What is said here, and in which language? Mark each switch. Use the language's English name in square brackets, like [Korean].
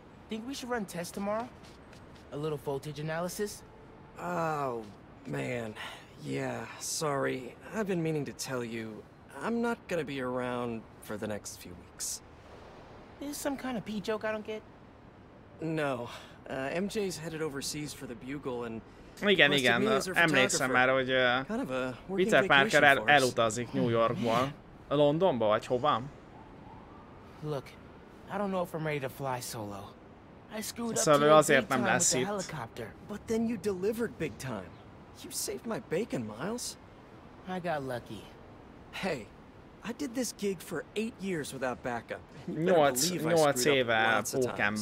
[English] Think we should run tests tomorrow? A little voltage analysis? Oh, man. Yeah, sorry. I've been meaning to tell you, I'm not gonna be around for the next few weeks. Is this some kind of pee joke I don't get? No. MJ's headed overseas for the Bugle and... [Hungarian] Igen, igen, emlékszem már, hogy Peter Parker elutazik New Yorkba. Londonba, vagy hova? [English] Look, I don't know if I'm ready to fly solo. I screwed up too big time with the helicopter. But then you delivered big time. You saved my bacon, Miles. I got lucky. Hey, I did this gig for 8 years without backup. You better believe I screwed up lots of times.